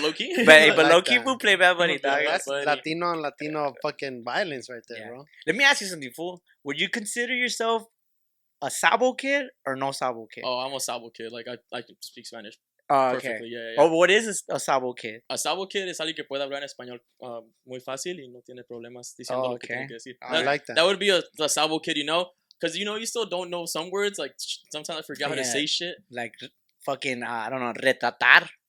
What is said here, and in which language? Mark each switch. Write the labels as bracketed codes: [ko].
[en] low key, but play Bad Bunny, dog. That's Latino fucking violence right there, bro. Let me ask you something, fool. Would you consider yourself a Sabo kid or no Sabo kid? Oh, I'm a Sabo kid. Like I can speak Spanish. Perfectly. Oh, what is a Sabo kid? A Sabo kid is [es] alguien que puede hablar español muy fácil y no tiene problemas diciendo lo que tiene que decir. [en] I like that. That would be a Sabo kid, you know? Because, you know, you still don't know some words. Like, sometimes I forget how to say shit. Like, fucking, I don't know, retratar.